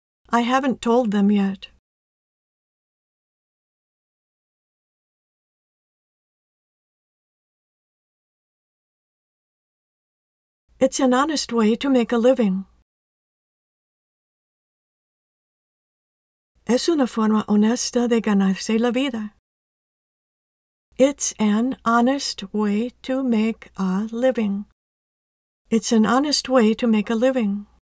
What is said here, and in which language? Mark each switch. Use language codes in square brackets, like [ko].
[en] I haven't told them yet. It's an honest way to make a living. [es] Es una forma honesta de ganarse la vida. [en] It's an honest way to make a living. It's an honest way to make a living.